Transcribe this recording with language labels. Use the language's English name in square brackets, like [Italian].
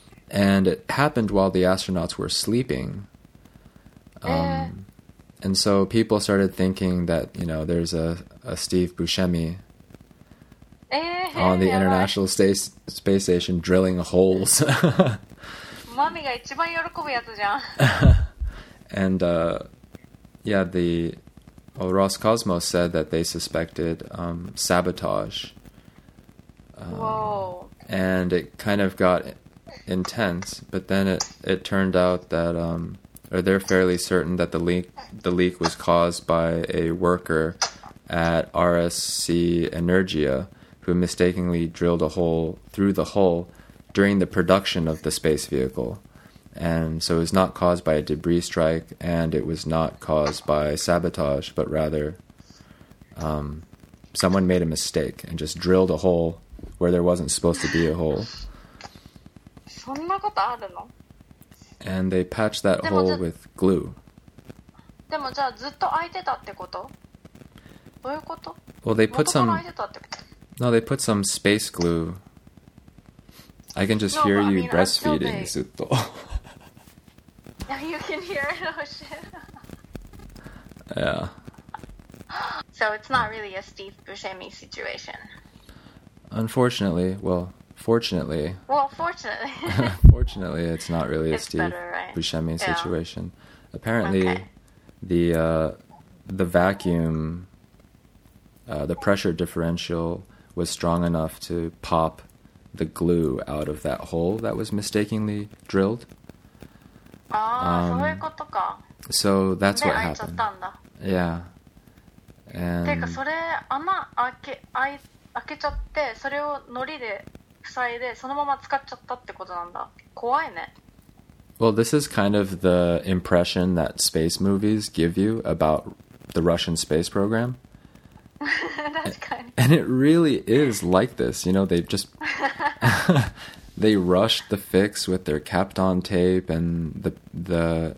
[English] And it happened while the astronauts were sleeping. And so people started thinking that, you know, there's a Steve Buscemi on the International Space Station drilling holes. [Japanese] Mommy が一番喜ぶやつじゃん。 [English] And, yeah, the, well, Roscosmos said that they suspected sabotage. Whoa. And it kind of got intense, but then it turned out that... Or they're fairly certain that the leak was caused by a worker at RSC Energia who mistakenly drilled a hole through the hull during the production of the space vehicle. And so it was not caused by a debris strike, and it was not caused by sabotage, but rather someone made a mistake and just drilled a hole where there wasn't supposed to be a hole. [Japanese] そんなことあるの? [English] And they patched that hole with glue. [Japanese] でもじゃあずっと開いてたってこと? どういうこと? [English] Well, they put some... [Japanese] 元から開いてたってこと? [English] No, they put some space glue. I can just hear you breastfeeding, [Japanese] ずっと。 [English] Yeah, you can hear it, oh shit. Yeah. So it's not really a Steve Buscemi situation. Unfortunately, well... Fortunately. Well, fortunately. Fortunately, it's not really a Steve Buscemi situation. Yeah. Apparently, the vacuum, the pressure differential was strong enough to pop the glue out of that hole that was mistakenly drilled. [Japanese] そういうことか。 [English] So that's what happened. Yeah. And. [Japanese] てかそれ穴開けちゃってそれをのりで塞いでそのまま使っちゃったってことなんだ。怖いね。 [English] Well, this is kind of the impression that space movies give you about the Russian space program. [Japanese] 確かに。 [English] And it really is like this. You know, they just... they rushed the fix with their Kapton tape and the...